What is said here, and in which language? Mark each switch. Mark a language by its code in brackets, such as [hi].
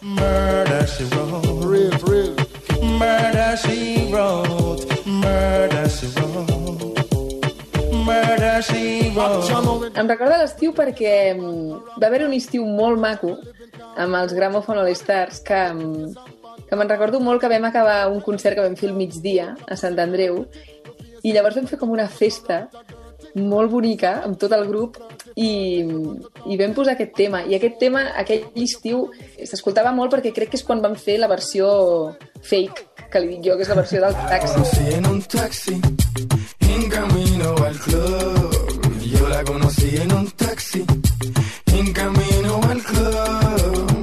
[en] Murder, she wrote, riff, riff. Murder, she wrote, murder, she wrote. Murder, she wrote. [ca] Em recorda l'estiu perquè va haver un estiu molt maco amb els Gramophone All Stars, que me'n recordo molt que vam acabar un concert que vam fer al migdia a Sant Andreu, i llavors vam fer com una festa molt bonica amb tot el grup i vam posar aquest tema. I aquest tema, aquell estiu, s'escoltava molt perquè crec que és quan vam fer la versió fake, que li dic jo, que és la versió del taxi. [es] La conocí en un taxi, en camino al club. Yo la conocí en un taxi, en camino al club.